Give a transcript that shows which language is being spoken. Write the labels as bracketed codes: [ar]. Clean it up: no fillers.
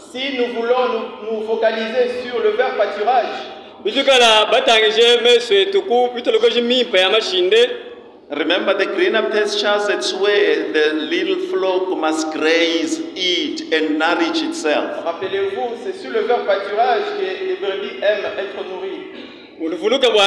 [fr] si nous voulons nous focaliser sur le vert pâturage, [en] remember the greener pastures, that's where the little flock must graze, eat, and nourish itself. [fr] Rappelez-vous, c'est sur le vert pâturage que les brebis aiment être nourries.